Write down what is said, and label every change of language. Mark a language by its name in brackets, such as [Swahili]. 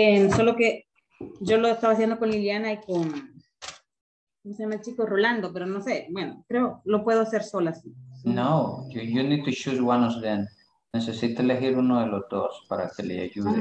[Spanish] Solo que yo lo estaba haciendo con Liliana y con. ¿Cómo se llama el chico? Rolando, pero no sé. Bueno, creo lo puedo hacer sola. Sí. [English] No, you need to choose one of them. [Spanish] Necesito elegir uno de los dos para que le ayude.